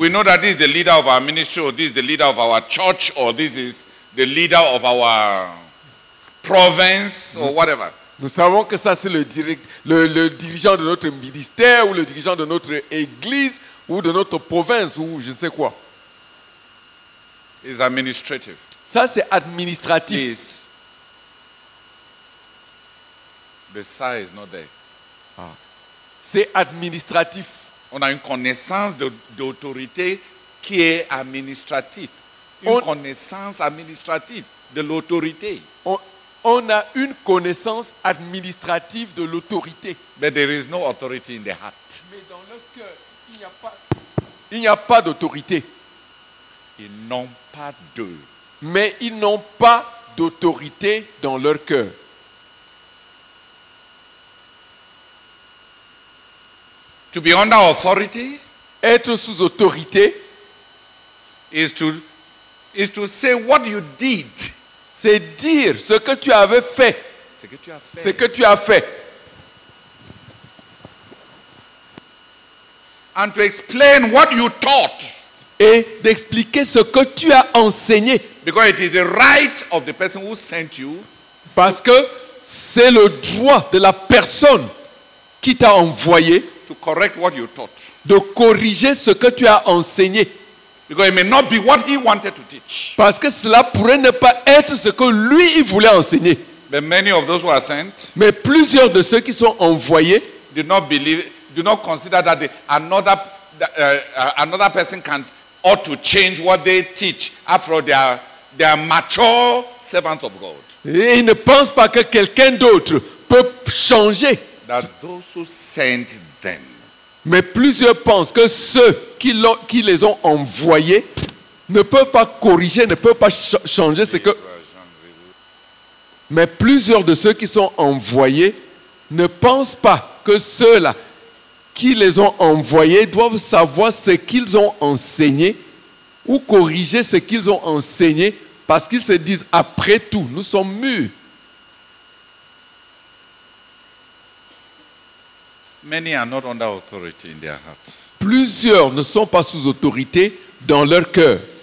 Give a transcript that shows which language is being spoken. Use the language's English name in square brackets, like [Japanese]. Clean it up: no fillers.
[English] We know that this is the leader of our ministry, or this is the leader of our church, or this is the leader of our province, or whatever. [French] Nous savons que ça c'est le dirigeant de notre ministère ou le dirigeant de notre église ou de notre province ou je ne sais quoi. [English] Is administrative. [French] Ça c'est administratif. [English] Is. The size is not there. [French] Ah. C'est administratif. On a une connaissance d'autorité qui est administrative. On a une connaissance administrative de l'autorité. But there is no authority in the heart. Mais dans le cœur, il n'y a pas d'autorité. Ils n'ont pas de. Mais ils n'ont pas d'autorité dans leur cœur. [English] To be under authority, [French] être sous autorité, [English] is to say what you did. [French] C'est dire ce que tu avais fait. Ce que tu as fait. [English] And to explain what you taught. [French] Et d'expliquer ce que tu as enseigné. [English] Because it is the right of the person who sent you. [French] Parce que c'est le droit de la personne qui t'a envoyé. [English] To correct what you taught. [French] De corriger ce que tu as enseigné. [English] Because it may not be what he wanted to teach. [French] Parce que cela pourrait ne pas être ce que lui il voulait enseigner. [English] But many of those who are sent, [French] mais plusieurs de ceux qui sont envoyés, [English] do not consider that another person can ought to change what they teach. After all, they are mature servants of God. [French] Et ils ne pensent pas que quelqu'un d'autre peut changer. That those who sent them. Mais plusieurs pensent que ceux qui les ont envoyés ne peuvent pas corriger, ne peuvent pas changer ce que. Mais plusieurs de ceux qui sont envoyés ne pensent pas que ceux-là qui les ont envoyés doivent savoir ce qu'ils ont enseigné ou corriger ce qu'ils ont enseigné parce qu'ils se disent après tout, nous sommes mûrs. [English] Many are not under authority in their hearts. [French] Plusieurs ne sont pas sous autorité dans leur cœur.